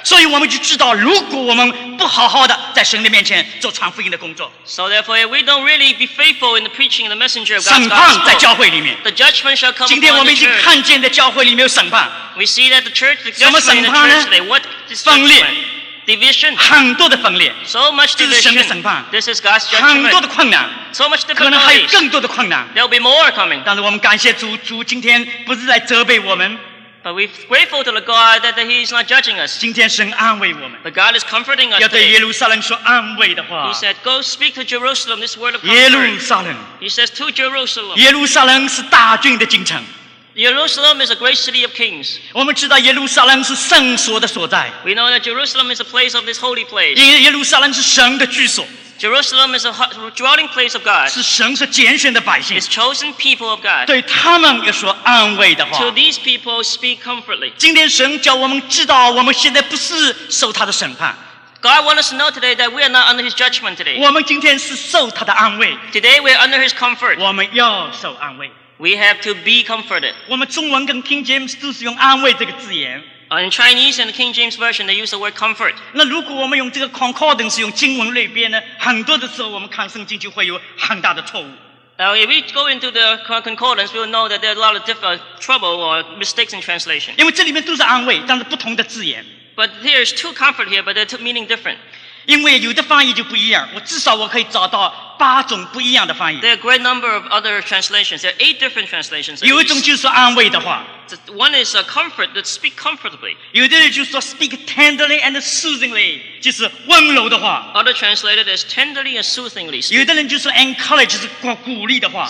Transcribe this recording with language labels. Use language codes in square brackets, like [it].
[zh] 所以我们就知道，如果我们不好好的在神的面前做传福音的工作 [en] ，So therefore, if we don't really be faithful in the preaching of the messenger of God, [zh] 审判在教会里面 [en] ，The judgment shall come. [zh] 今天我们已经看见在教会里面有审判。 [en] We see that the church, the judgment in the church today, what is [zh] 分裂。 [en] Division. [zh] 很多的分裂 [en] so much division. [zh] 这是神的审判 [en] This is God's judgment. [zh] 很多的困难 [en] so much difficulties. [zh] 可能还有更多的困难 [en] There'll be more coming. [zh] 但是我们感谢主主今天不是来责备我们 [en] But we're grateful to the God that he's not judging us. [zh] 今天神安慰我们 [en] But God is comforting us today. [zh] 要对耶路撒冷说安慰的话 [en] He said, go speak to Jerusalem this word of comfort. [zh] 耶路撒冷 [en] He says to Jerusalem. [zh] 耶路撒冷是大军的京城 [en] Jerusalem is a great city of kings. [zh] 我们知道耶路撒冷是圣所的所在。 [en] We know that Jerusalem is a place of this holy place. [zh] 因为耶路撒冷是神的居所。 [en] Jerusalem is a dwelling place of God. [zh] 是神所拣选的百姓。 [en] It's chosen people of God. [zh] 对他们要说安慰的话。 [en] To these people, speak comfortly. [zh] 今天神叫我们知道，我们现在不是受他的审判。 [en] God wants us to know today that we are not under His judgment today. [zh] 我们今天是受他的安慰。 [en] Today we are under His comfort. [zh] 我们要受安慰。 [en] We have to be comforted. [zh] 我们中文跟 King James 都是用安慰这个字眼。 [en] In Chinese and the King James Version, they use the word comfort. [zh] 那如果我们用这个 concordance 用经文类别呢？很多的时候我们看圣经就会有很大的错误。 [en] Now, if we go into the concordance, we'll know that there are a lot of different trouble or mistakes in translation. [zh] 因为这里面都是安慰，但是不同的字眼。 [en] But there's two comfort here, but they're meaning different. [zh] 因为有的翻译就不一样，我至少我可以找到。八种不一样的翻译。 [en] There are a great number of other translations. There are 8 different translations. [zh] 有一种就是安慰的话。 [en] One is a comfort that speak comfortably. [zh] 有的人就说 [en] speak tenderly and soothingly, [zh] 就是温柔的话。 [en] Other translated as tenderly and soothingly. [zh] 有的人就说 encourage, 就是鼓励的话。